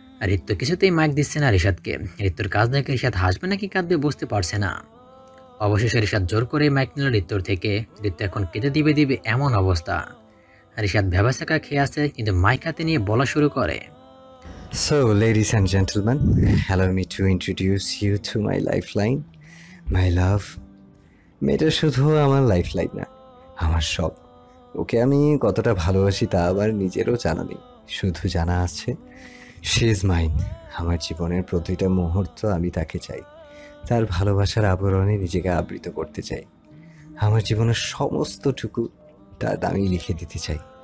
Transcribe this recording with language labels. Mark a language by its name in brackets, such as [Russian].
[Bangla] রিত্ত কিছুতেই মাইক দিচ্ছে না রিশাদকে। রিত্তর কাজ দেখে রিশাদ হাসবে নাকি কাঁদবে বুঝতে পারছে না। অবশেষে রিশাদ জোর করে মাইক নিল রিত্তর থেকে। রিত্ত এখন কেঁদে দিবে দিবে এমন অবস্থা। রিশাদ ভ্যাবাসাকা খেয়ে আসে, কিন্তু মাইক হাতে নিয়ে বলা শুরু করে। [English] So, ladies and gentlemen, allow me to introduce you to my lifeline, my love. [Bangla] মেয়েটা শুধু আমার লাইফলাইন না, আমার সব। ওকে আমি কতটা ভালোবাসি তা আবার নিজেরও জানা নেই। শুধু জানা আছে [English] She is mine. [Bangla] আমার জীবনের প্রতিটা মুহূর্ত আমি তাকে চাই। তার ভালোবাসার আবরণে নিজেকে আবৃত করতে চাই। আমার জীবনের সমস্তটুকু তার দামি লিখে দিতে চাই।